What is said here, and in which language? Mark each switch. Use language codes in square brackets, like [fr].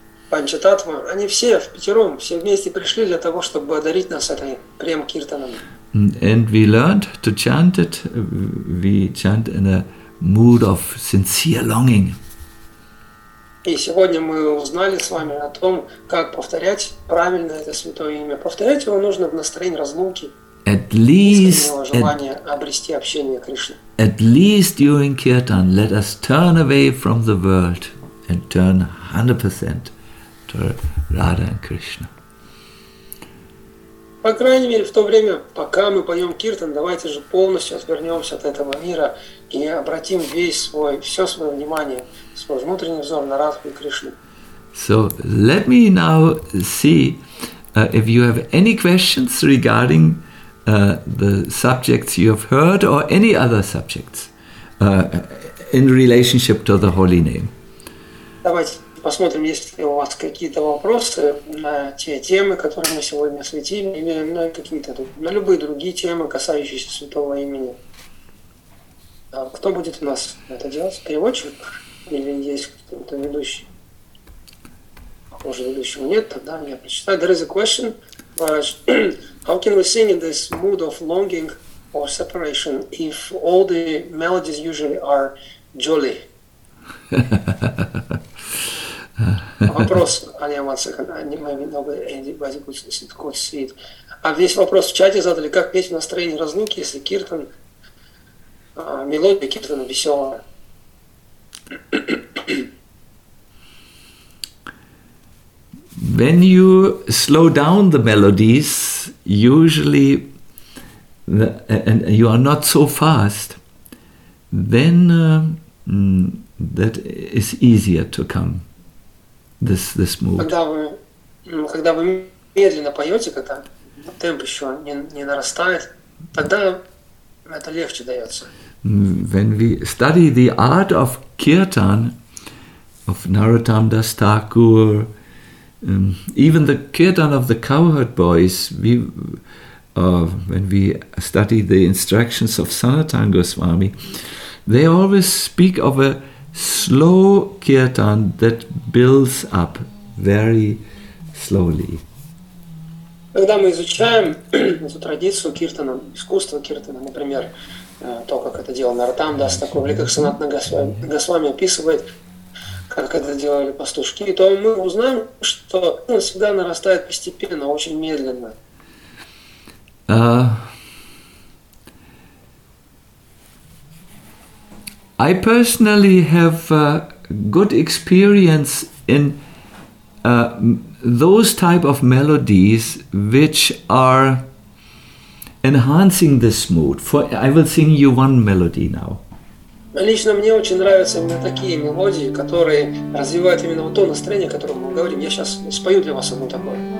[ru] Panchatattva, они все в пятером, все вместе пришли для того, чтобы одарить нас этой прем киртаном. [en] And we learned to chant it. We chant in a mood of sincere longing. [ru] И сегодня мы узнали с вами о том, как повторять правильно это святое имя. Повторять его нужно в настроении разлуки, искреннего желания обрести общение Кришны. [en] At least during kirtan, let us turn away from the world and turn 100% to Radha and Krishna. [ru] По крайней мере, в то время, пока мы поем киртан, давайте же полностью отвернемся от этого мира и обратим весь свой, все свое внимание, свой внутренний взор на Радху и Кришну. [en] So, let me now see if you have any questions regarding the subjects you have heard or any other subjects in relationship to the holy name. [ru] Давайте посмотрим, есть ли у вас какие-то вопросы на те темы, которые мы сегодня осветили, или на какие-то, на любые другие темы, касающиеся святого имени. Кто будет у нас это делать? Переводчик? Или есть кто-то ведущий? Похоже, ведущего нет, тогда я прочитаю. [en] There is a question. How can we sing in this mood of longing or separation if all the melodies usually are jolly? [ru] Вопрос, а весь вопрос в чате задали, как петь в настроении разлуки, если киртан, мелодия киртана веселая. [en] When you slow down the melodies, usually, and you are not so fast, then that is easier to come. This mood. [ru] Когда вы медленно поете, когда темп еще не нарастает, тогда это легче дается. [en] When we study the art of kirtan, of Narottam Das Thakur, even the kirtan of the Cowherd Boys, when we study the instructions of Sanatana Goswami, they always speak of a slow kirtan that builds up very slowly. [ru] Когда мы изучаем эту традицию киртана, искусство киртана, например, то, как это делал Нартам Дас Такур, или как Санатана Госвами описывает, как это делали пастушки, то мы узнаем, что он всегда нарастает постепенно, очень медленно. [en] I personally have good experience in those type of melodies which are enhancing this mood. For I will sing you one melody now. [ru] Лично мне очень нравятся именно такие мелодии, которые развивают именно вот то настроение, о котором мы говорим. Я сейчас спою для вас одну такую.